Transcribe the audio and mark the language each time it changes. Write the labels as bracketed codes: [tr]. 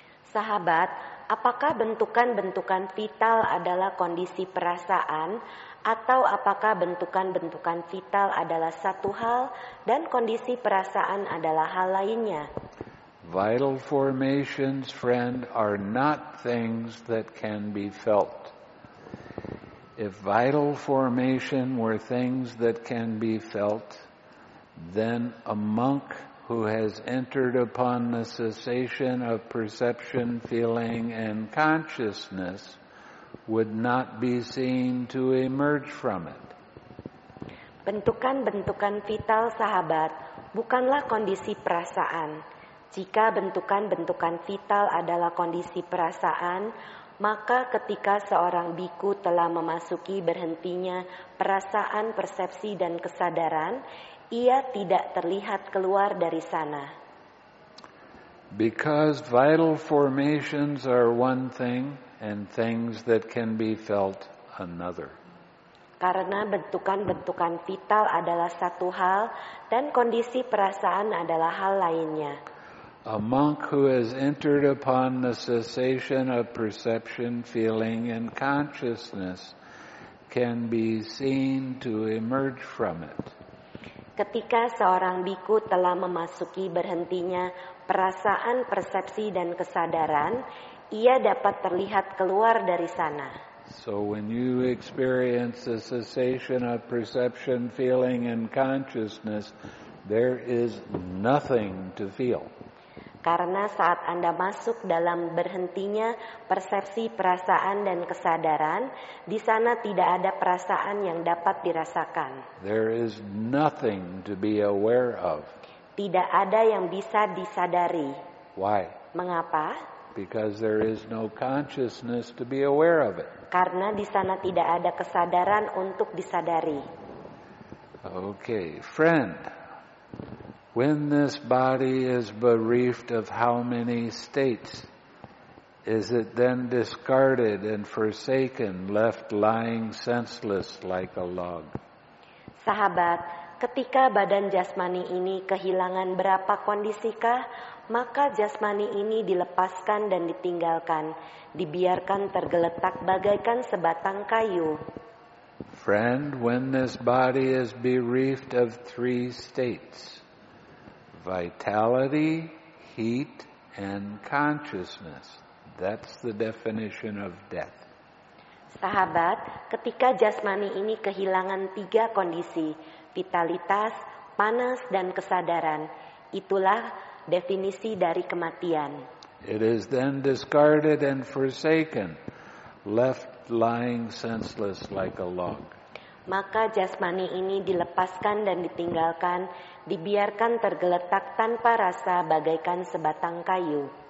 [id] Sahabat, apakah bentukan-bentukan vital adalah kondisi perasaan, atau apakah bentukan-bentukan vital adalah satu hal dan kondisi perasaan adalah hal lainnya? [en] Vital formations, friend, are not things that can be felt. If vital formation were things that can be felt, then a monk who has entered upon the cessation of perception, feeling, and consciousness would not be seen to emerge from it. [id] Bentukan-bentukan vital, sahabat, bukanlah kondisi perasaan. Jika bentukan-bentukan vital adalah kondisi perasaan, maka ketika seorang bhikkhu telah memasuki berhentinya perasaan, persepsi, dan kesadaran, ia tidak terlihat keluar dari sana. [en] Because vital formations are one thing and things that can be felt another. [id] Karena bentukan-bentukan vital adalah satu hal dan kondisi perasaan adalah hal lainnya. [en] A monk who has entered upon the cessation of perception, feeling, and consciousness can be seen to emerge from it. [id] Ketika seorang bhikkhu telah memasuki berhentinya perasaan, persepsi, dan kesadaran, ia dapat terlihat keluar dari sana. [en] So when you experience the cessation of perception, feeling, and consciousness, there is nothing to feel. [id] Karena saat Anda masuk dalam berhentinya persepsi, perasaan, dan kesadaran, di sana tidak ada perasaan yang dapat dirasakan. [en] There is nothing to be aware of. [id] Tidak ada yang bisa disadari. [en] Why? [id] Mengapa? [en] Because there is no consciousness to be aware of it. [id] Karena di sana tidak ada kesadaran untuk disadari. [en] Okay, friend. When this body is bereft of how many states, is it then discarded and forsaken, left lying senseless like a log? [id] Sahabat, ketika badan jasmani ini kehilangan berapa kondisikah, maka jasmani ini dilepaskan dan ditinggalkan, dibiarkan tergeletak bagaikan sebatang kayu. [en] Friend, when this body is bereft of three states, vitality, heat, and consciousness. That's the definition of death. [id] Sahabat, ketika jasmani ini kehilangan tiga kondisi, vitalitas, panas, dan kesadaran, itulah definisi dari kematian. [en] It is then discarded and forsaken, left lying senseless like a log. [id] Maka jasmani ini dilepaskan dan ditinggalkan, dibiarkan tergeletak tanpa rasa bagaikan sebatang kayu.